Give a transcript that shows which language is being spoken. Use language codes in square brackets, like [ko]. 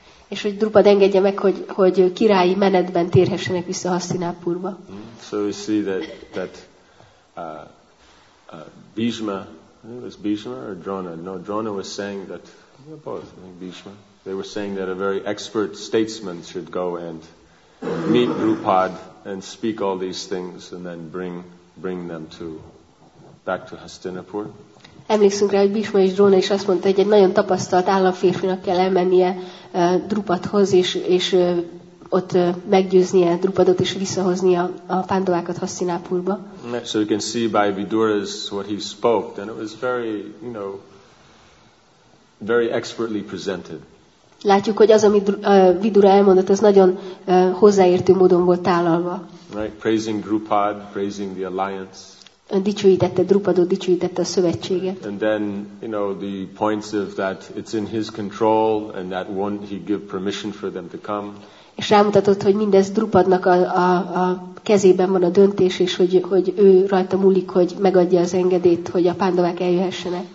[hu] És hogy Drupad engedje meg, hogy királyi menetben térhessenek vissza Hastinapurba. [en] So we see that Bhishma, it was Bhishma or Drona? No, Drona was saying that, Bhishma. They were saying that a very expert statesman should go and meet Drupad and speak all these things and then bring them back to Hastinapur. [hu] Emlékszünk rá, hogy Bhishma és Drona is azt mondta, hogy egy nagyon tapasztalt államférfinak kell elmennie Drupadhoz és ott meggyőznie Drupadot és visszahoznia a pándovákat Hastinapurba. [en] So you can see by Vidura's what he spoke, and it was very, very expertly presented. [hu] Látjuk, hogy az, amit Vidura elmondott, az nagyon hozzáértő módon volt tálalva. [en] Right, praising Drupad, praising the alliance. [hu] Dicsőítette Drupadot, dicsőítette a szövetséget. [en] And then, the points of that it's in his control and that one he give permission for them to come. [hu] És rámutatott, hogy mindez Drupadnak a kezében van a döntés, és hogy ő rajta múlik, hogy megadja az engedélyt, hogy a pándavák eljöhessenek.